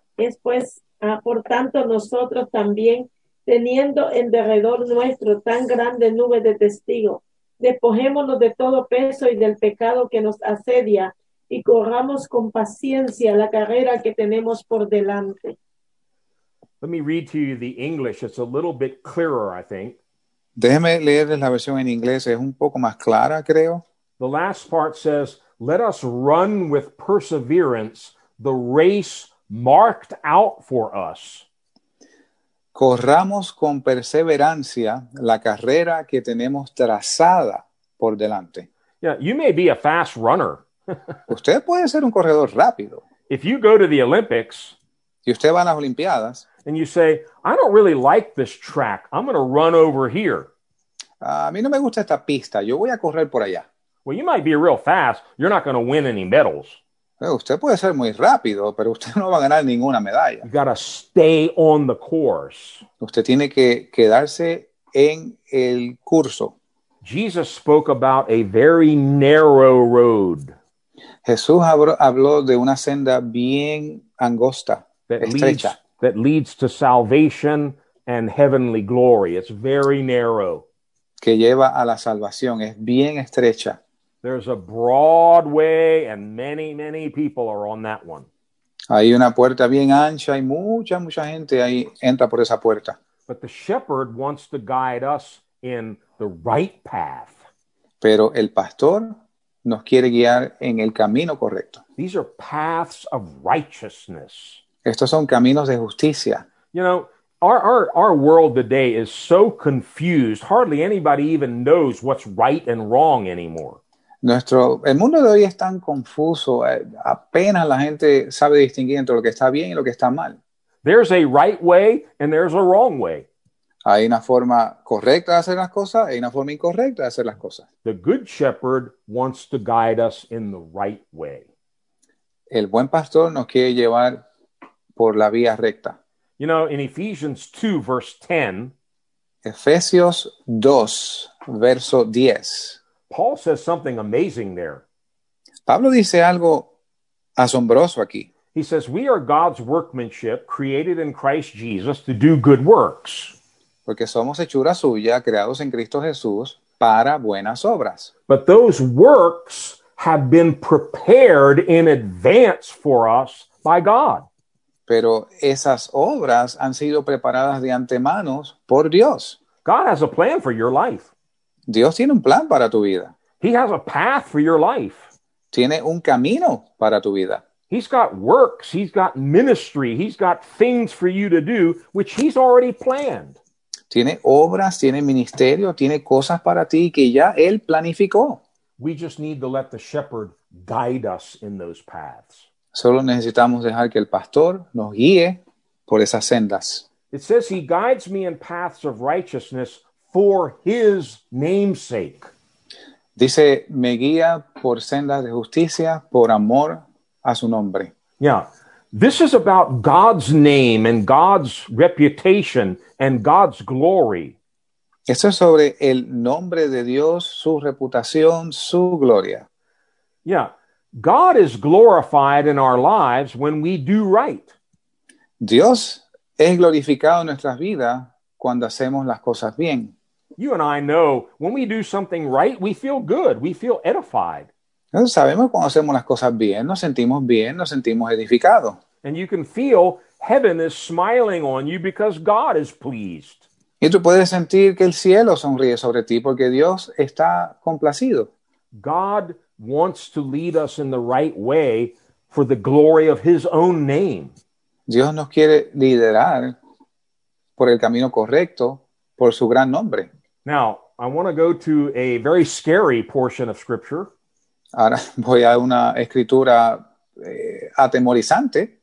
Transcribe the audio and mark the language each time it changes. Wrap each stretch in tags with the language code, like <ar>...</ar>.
<es>Es pues, por tanto, nosotros también, teniendo en derredor nuestro tan grande nube de testigos, despojémonos de todo peso y del pecado que nos asedia, y corramos con paciencia la carrera que tenemos por delante.</es> <en>Let me read to you the English. It's a little bit clearer, I think.</en> <es>Déjeme leerles la versión en inglés. Es un poco más clara, creo.</es> <en>The last part says, let us run with perseverance the race marked out for us.</en> <es>Corramos con perseverancia la carrera que tenemos trazada por delante.</es> <en>Yeah, you may be a fast runner.</en> <es>Usted puede ser un corredor rápido.</es> <en>If you go to the Olympics,</en> <es>y usted va a las Olimpiadas,</es> <en>and you say, I don't really like this track, I'm going to run over here.</en> <es>A mí no me gusta esta pista, yo voy a correr por allá.</es> <en>Well, you might be real fast, you're not going to win any medals.</en> <es>Usted puede ser muy rápido, pero usted no va a ganar ninguna medalla.</es> <en>You got to stay on the course.</en> <es>Usted tiene que quedarse en el curso.</es> <en>Jesus spoke about a very narrow road.</en> <es>Jesús habló de una senda bien angosta, estrecha.</es> <en>That leads to salvation and heavenly glory. It's very narrow.</en> <es>Que lleva a la salvación, es bien estrecha.</es> <en>There's a broad way and many, many people are on that one.</en> <es>Hay una puerta bien ancha y mucha gente ahí entra por esa puerta.</es> <en>but the shepherd wants to guide us in the right path.</en> <es>Pero el pastor nos quiere guiar en el camino correcto.</es> <en>These are paths of righteousness.</en> <es>Estos son caminos de justicia.</es> <en>You know, our world today is so confused, hardly anybody even knows what's right and wrong anymore.</en> <es>El mundo de hoy es tan confuso, apenas la gente sabe distinguir entre lo que está bien y lo que está mal.</es> <en>There's a right way and there's a wrong way.</en> <es>Hay una forma correcta de hacer las cosas y una forma incorrecta de hacer las cosas.</es> <en>The good shepherd wants to guide us in the right way.</en> <es>El buen pastor nos quiere llevar por la vía recta.</es> <en>You know, in Ephesians 2, verse 10.</en> <es>Efesios 2, verso 10.</es> <en>Paul says something amazing there.</en> <es>Pablo dice algo asombroso aquí.</es> <en>He says, we are God's workmanship created in Christ Jesus to do good works.</en> <es>Porque somos hechura suya, creados en Cristo Jesús, para buenas obras.</es> <en>But those works have been prepared in advance for us by God.</en> <es>Pero esas obras han sido preparadas de antemano por Dios.</es> <en>God has a plan for your life.</en> <es>Dios tiene un plan para tu vida.</es> <en>He has a path for your life.</en> <es>Tiene un camino para tu vida.</es> <en>He's got works, he's got ministry, he's got things for you to do, which he's already planned.</en> <es>Tiene obras, tiene ministerio, tiene cosas para ti que ya él planificó.</es> <en>We just need to let the shepherd guide us in those paths.</en> <es>Solo necesitamos dejar que el pastor nos guíe por esas sendas.</es> <en>It says he guides me in paths of righteousness for his namesake.</en> <es>Dice, me guía por sendas de justicia por amor a su nombre.</es> <en>Yeah. This is about God's name and God's reputation and God's glory.</en> <es>Esto es sobre el nombre de Dios, su reputación, su gloria.</es> <en>Yeah. God is glorified in our lives when we do right.</en> <es>Dios es glorificado en nuestras vidas cuando hacemos las cosas bien.</es> <en>You and I know when we do something right, we feel good. We feel edified.</en> <es>Nosotros sabemos cuando hacemos las cosas bien, nos sentimos edificados.</es> <en>And you can feel heaven is smiling on you because God is pleased.</en> <es>Y tú puedes sentir que el cielo sonríe sobre ti porque Dios está complacido.</es> <en>God wants to lead us in the right way for the glory of his own name.</en> <es>Dios nos quiere liderar por el camino correcto, por su gran nombre.</es> <en>Now, I want to go to a very scary portion of scripture.</en> <es>Ahora voy a una escritura atemorizante.</es>